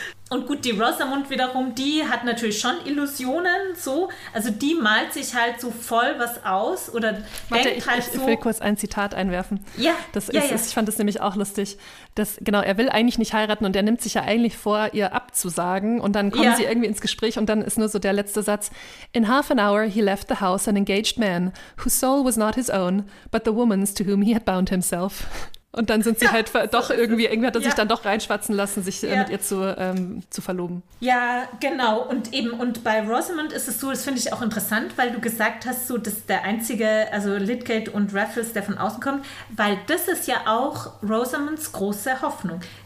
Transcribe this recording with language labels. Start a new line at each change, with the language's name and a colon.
German: Und gut, die Rosamund wiederum, die hat natürlich schon Illusionen, so. Also die malt sich halt so voll was aus oder Ich will kurz ein Zitat einwerfen. Ja, das ja, ist, ja. Ich fand das nämlich auch lustig. Das, genau, er will eigentlich nicht heiraten und er nimmt sich ja eigentlich vor, ihr abzusagen. Und dann kommen sie irgendwie ins Gespräch und dann ist nur so der letzte Satz.
English: In half an hour he left the house an engaged man, whose soul was not his own, but the woman's to whom he had bound himself.
German: Und dann sind sie irgendwie hat er sich dann doch reinschwatzen lassen, sich mit ihr zu verloben. Ja, genau. Und eben, und bei Rosamund ist es so, das finde ich auch interessant, weil du gesagt hast, so, dass der einzige, also Lydgate und Raffles, der von außen kommt, weil das ist ja auch Rosamunds große Hoffnung.